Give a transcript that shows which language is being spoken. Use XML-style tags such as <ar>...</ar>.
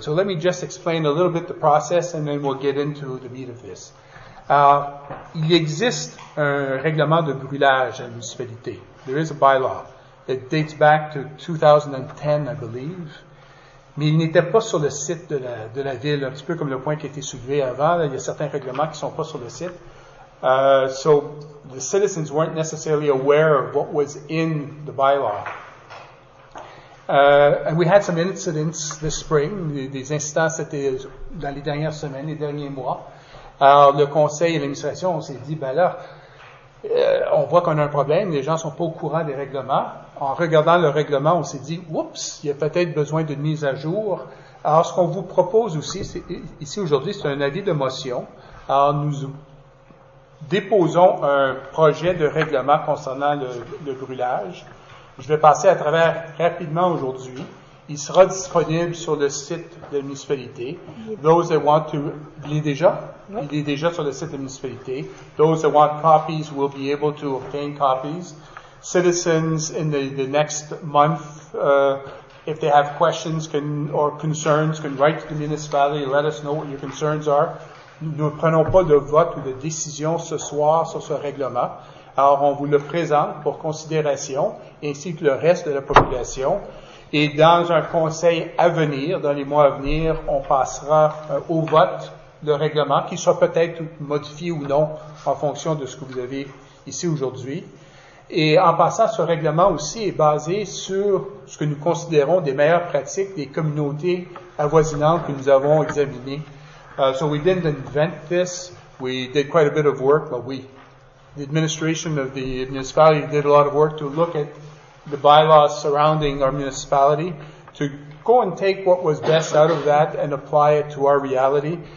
<en>So, let me just explain a little bit the process and then we'll get into the meat of this.</en> <fr>Alors, il existe un règlement de brûlage à la municipalité.</fr> <en>There is a bylaw. It dates back to 2010, I believe.</en> <fr>Mais il n'était pas sur le site de la ville, un petit peu comme le point qui a été soulevé avant. Là, il y a certains règlements qui ne sont pas sur le site.</fr> <en>So, the citizens weren't necessarily aware of what was in the bylaw.</en> <fr>And we had some incidents this spring. Des incidents, c'était dans les dernières semaines, les derniers mois. Alors, le conseil et l'administration, on s'est dit, on voit qu'on a un problème, les gens ne sont pas au courant des règlements. En regardant le règlement, on s'est dit, oups, il y a peut-être besoin d'une mise à jour. Alors, ce qu'on vous propose aussi, ici aujourd'hui, c'est un avis de motion. Alors, nous déposons un projet de règlement concernant le brûlage. Je vais passer à travers rapidement aujourd'hui. Il sera disponible sur le site de la municipalité.</fr> <en>Those that want to,</en> <fr>il est déjà? Oui. Il est déjà sur le site de la municipalité.</fr> <en>Those that want copies will be able to obtain copies. Citizens in the next month, if they have questions or concerns, can write to the municipality, let us know what your concerns are.</en> <fr>Nous ne prenons pas de vote ou de décision ce soir sur ce règlement. Alors, on vous le présente pour considération, ainsi que le reste de la population. Et dans un conseil à venir, dans les mois à venir, on passera au vote le règlement, qui sera peut-être modifié ou non en fonction de ce que vous avez ici aujourd'hui. Et en passant, ce règlement aussi est basé sur ce que nous considérons des meilleures pratiques des communautés avoisinantes que nous avons examinées.</fr> <en>So we didn't invent this. We did quite a bit of work, but the administration of the municipality did a lot of work to look at the bylaws surrounding our municipality, to go and take what was best out of that and apply it to our reality.</en>